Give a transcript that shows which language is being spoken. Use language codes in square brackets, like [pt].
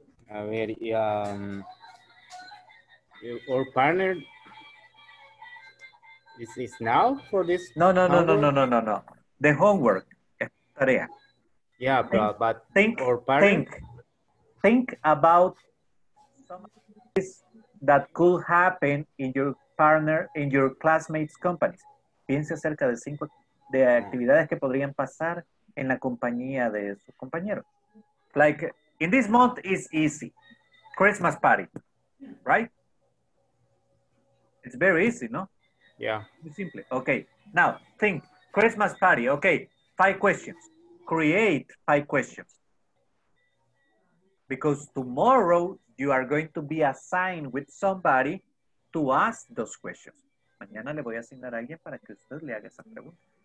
[es] A ver, [en] our partner is now for this? No. The homework. [es] Tarea. [en] Yeah, but think or parent. Think about something that could happen in your partner, in your classmates' companies. [es] Piense acerca de 5 de actividades que podrían pasar en la compañía de su compañero. [en] Like, in this month is easy. Christmas party, right? It's very easy, [es] no? [en] Yeah. Very simple. Okay, now think. Christmas party, okay. 5 questions. Create 5 questions. Because tomorrow you are going to be assigned with somebody to ask those questions. [es] Mañana le voy a asignar a alguien para que usted le haga esa pregunta.